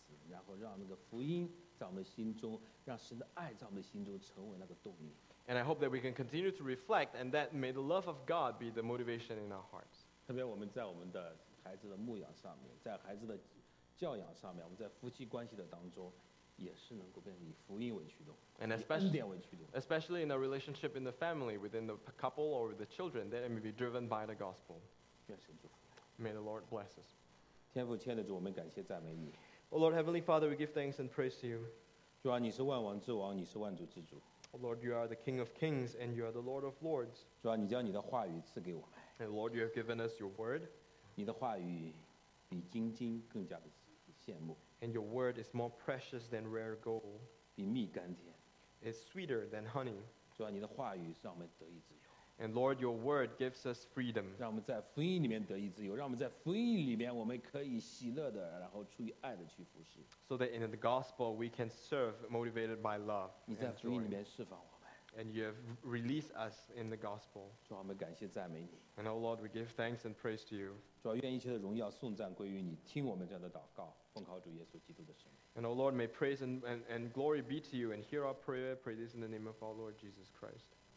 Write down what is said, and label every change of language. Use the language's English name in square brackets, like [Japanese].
[Chinese] 然后让那个福音在我们心中，让神的爱在我们心中成为那个动力。 [English] And I hope that we can continue to reflect, and that may the love of God be the motivation in our hearts. [Chinese] 特别我们在我们的孩子的牧养上面，在孩子的教养上面，我们在夫妻关系的当中，也是能够变成以福音为驱动，以恩典为驱动。 [English] Especially in a relationship in the family, within the couple or with the children, that it may be driven by the gospel. [Chinese] 愿神祝福。 [English] May the Lord bless us. [Chinese] 天父，亲爱的主，我们感谢赞美你。 [English] Oh Lord, Heavenly Father, we give thanks and praise to you. [Chinese] 主啊，你是万王之王，你是万主之主。 [English] Oh Lord, you are the King of Kings and you are the Lord of Lords. [Chinese] 主啊，你将你的话语赐给我们。 [English] And Lord, you have given us your word. [Chinese] 你的话语比金金更加的羡慕。 [English] And your word is more precious than rare gold. [Chinese] 比蜜甘甜。 [English] It's sweeter than honey. [Chinese] 主啊，你的话语让我们得以自由。 [English] And Lord, your word gives us freedom. [Chinese] 让我们在福音里面得以自由，让我们在福音里面我们可以喜乐的，然后出于爱的去服事。 [English] So that in the gospel we can serve motivated by love. [Chinese] 你在福音里面释放我们。 [English] And you have released us in the gospel. [Chinese] 主啊，我们感谢赞美你。 [English] And oh Lord, we give thanks and praise to you. [Chinese] 主啊，愿一切的荣耀颂赞归于你，听我们这样的祷告，奉靠主耶稣基督的圣名。 [English] And oh Lord, may praise and glory be to you, and hear our prayer, pray this in the name of our Lord Jesus Christ.